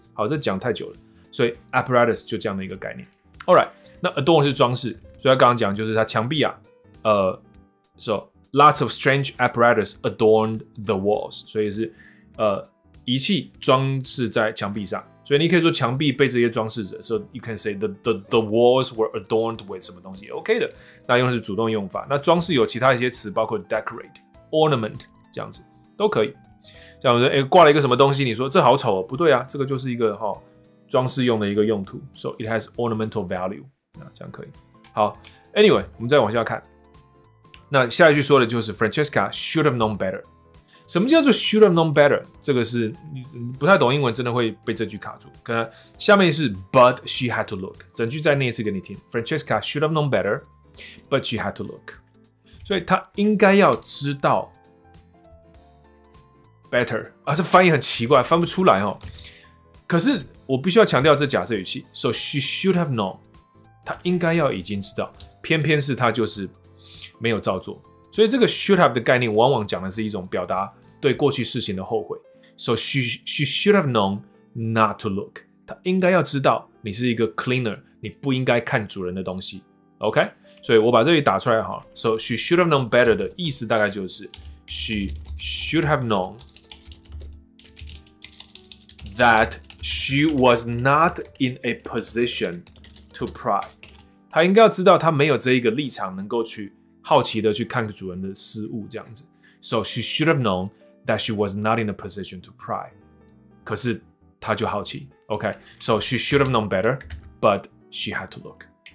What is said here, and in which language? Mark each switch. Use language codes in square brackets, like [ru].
[zh] 好，这讲太久了，所以 apparatus 就这样的一个概念。 [en] All right， [zh] 那 adorn 是装饰，所以刚刚讲就是它墙壁啊， [en] so lots of strange apparatus adorned the walls， [zh] 所以是。仪器装饰在墙壁上，所以你可以说墙壁被这些装饰着。 [en] So you can say the walls were adorned with [zh] 什么东西 [en] ，OK 的。 [zh] 那用的是主动用法。那装饰有其他一些词，包括 decorate、ornament 这样子都可以。像我说，挂了一个什么东西，你说这好丑哦，不对啊，这个就是一个哈装饰用的一个用途。 [en] So it has ornamental value， [zh] 那这样可以。好 ， [en] Anyway， [zh] 我们再往下看。那下一句说的就是 [en] Francesca should have known better。 [zh] 什么叫做 [en] should have known better？ [zh] 这个是不太懂英文，真的会被这句卡住。可能下面是 [en] but she had to look， [zh] 整句再念一次给你听。 [en] Francesca should have known better， but she had to look。 [zh] 所以她应该要知道 better， 而且翻译很奇怪，翻不出来哦。可是我必须要强调这假设语气 ， [en] so she should have known， [zh] 她应该要已经知道，偏偏是她就是没有照做。所以这个 should have 的概念往往讲的是一种表达对过去事情的后悔。 [en] So she should have known not to look. [zh] 她应该要知道你是一个 cleaner, 你不应该看主人的东西。OK? 所以我把这里打出来好。 [en] So she should have known better [zh] 的意思大概就是 [en] she should have known that she was not in a position to pry. [zh] 她应该要知道她没有这一个立场能够去好奇的去看主人的失误，这样子。 [en] So she should have known that she was not in a position to pry. [zh] 可是她就好奇。OK. [en] So she should have known better, but she had to look.